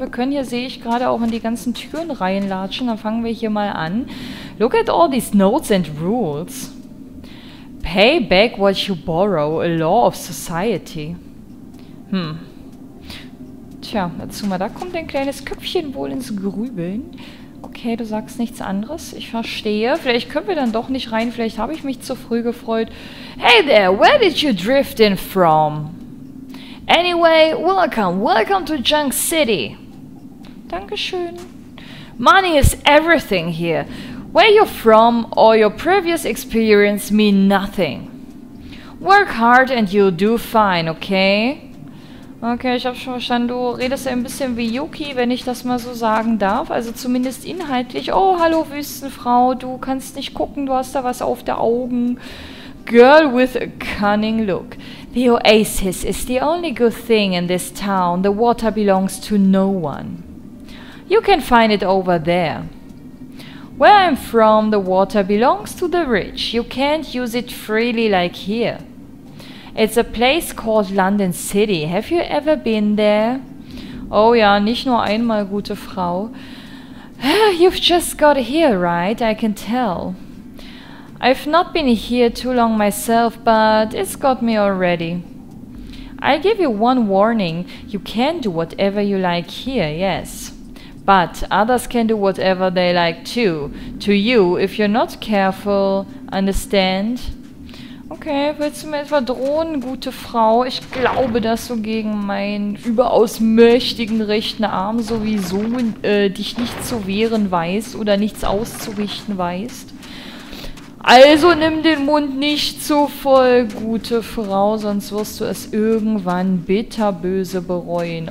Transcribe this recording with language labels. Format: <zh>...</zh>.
<de>Wir können hier, sehe ich gerade, auch in die ganzen Türen reinlatschen. Dann fangen wir hier mal an.</de> <en>Look at all these notes and rules. Pay back what you borrow, a law of society. Hm.</en> <de>Tja, dazu mal, da kommt ein kleines Köpfchen wohl ins Grübeln. Okay, du sagst nichts anderes. Ich verstehe. Vielleicht können wir dann doch nicht rein. Vielleicht habe ich mich zu früh gefreut.</de> <en>Hey there, where did you drift in from? Anyway, welcome. Welcome to Junk City.</en> <de>Dankeschön.</de> <en>Money is everything here. Where you're from or your previous experience mean nothing. Work hard and you'll do fine, okay?</en> <de>Okay, ich habe schon verstanden, du redest ein bisschen wie Yuki, wenn ich das mal so sagen darf. Also zumindest inhaltlich. Oh, hallo Wüstenfrau, du kannst nicht gucken, du hast da was auf der Augen.</de> <en>Girl with a cunning look. The oasis is the only good thing in this town. The water belongs to no one. You can find it over there. Where I'm from, the water belongs to the rich. You can't use it freely like here. It's a place called London City. Have you ever been there?</en> <de>Oh ja, nicht nur einmal, gute Frau.</de> <en>You've just got here, right? I can tell. I've not been here too long myself, but it's got me already. I'll give you one warning. You can do whatever you like here, yes. But others can do whatever they like too, to you, if you're not careful, understand?</en> <de>Okay, willst du mir etwa drohen, gute Frau? Ich glaube, dass du gegen meinen überaus mächtigen rechten Arm sowieso dich nicht zu wehren weißt oder nichts auszurichten weißt. Also nimm den Mund nicht zu voll, gute Frau, sonst wirst du es irgendwann bitterböse bereuen.</de>